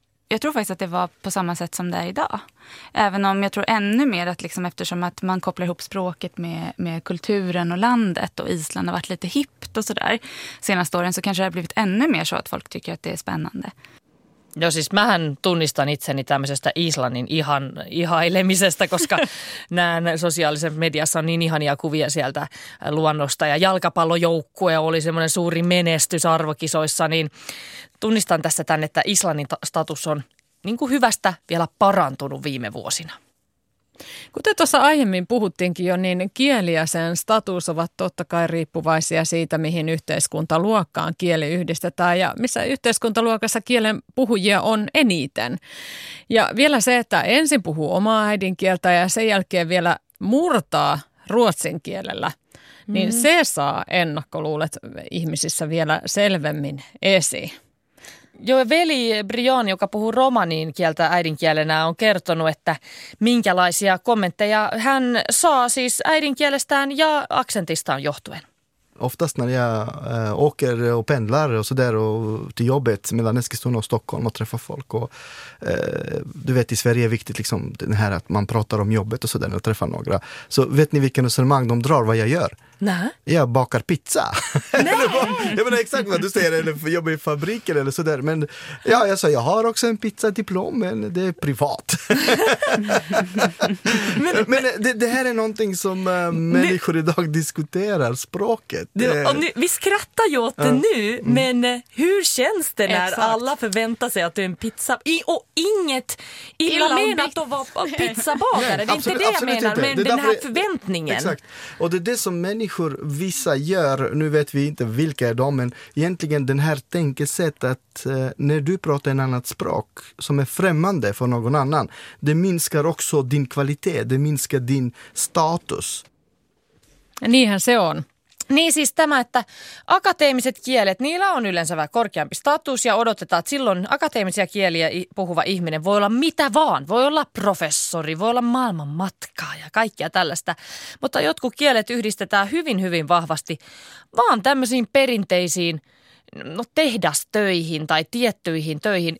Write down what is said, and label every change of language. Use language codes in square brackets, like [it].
[sv] Jag tror faktiskt att det var på samma sätt som det är idag. Även om jag tror ännu mer att liksom eftersom att man kopplar ihop språket med kulturen och landet och Island har varit lite hippt och sådär senaste åren så kanske det har blivit ännu mer så att folk tycker att det är spännande. [fi] No siis mähän tunnistan itseni tämmöisestä Islannin ihailemisestä, koska näen sosiaalisessa mediassa on niin ihania kuvia sieltä luonnosta ja jalkapallojoukkue oli semmoinen suuri menestys arvokisoissa, niin tunnistan tässä tämän, että Islannin status on niin kuin hyvästä vielä parantunut viime vuosina. Kuten tuossa aiemmin puhuttiinkin jo, niin kieli ja sen status ovat totta kai riippuvaisia siitä, mihin yhteiskuntaluokkaan kieli yhdistetään ja missä yhteiskuntaluokassa kielen puhujia on eniten. Ja vielä se, että ensin puhuu omaa äidinkieltä ja sen jälkeen vielä murtaa ruotsin kielellä, niin se saa ennakkoluulet ihmisissä vielä selvemmin esiin. Joo, veli Brion, joka puhuu romanin kieltä äidinkielenä, on kertonut, että minkälaisia kommentteja hän saa siis äidinkielestään ja aksentistaan johtuen. [sv] Oftast när jag åker och pendlar och så där och till jobbet mellan Eskilstuna och Stockholm och träffar folk och du vet i Sverige är viktigt liksom det här att man pratar om jobbet och så där och träffar några. Så vet ni vilken resonemang de drar vad jag gör? Nej. Jag bakar pizza. Nej. Jag menar exakt vad du säger, eller jobbar i fabriken eller så där, men ja, jag sa jag har också en pizzadiplom men det är privat. men det här är någonting som människor idag diskuterar, språk. Vi skrattar ju åt det nu, men hur känns det när alla förväntar sig att du är en pizza... Och inget illa menat att vara pizzabagare, det är absolut, inte det jag menar, inte. Men den här förväntningen. Exakt, och det är det som människor, vissa gör, nu vet vi inte vilka är de, men egentligen den här tänkesättet att när du pratar en annat språk som är främmande för någon annan, det minskar också din kvalitet, det minskar din status. [fi] Niinhän se on. Niin siis tämä, että akateemiset kielet, niillä on yleensä vähän korkeampi status ja odotetaan, että silloin akateemisia kieliä puhuva ihminen voi olla mitä vaan. Voi olla professori, voi olla maailman matkaa ja kaikkea tällaista. Mutta jotkut kielet yhdistetään hyvin, hyvin vahvasti vaan tämmöisiin perinteisiin tehdastöihin tai tiettyihin töihin.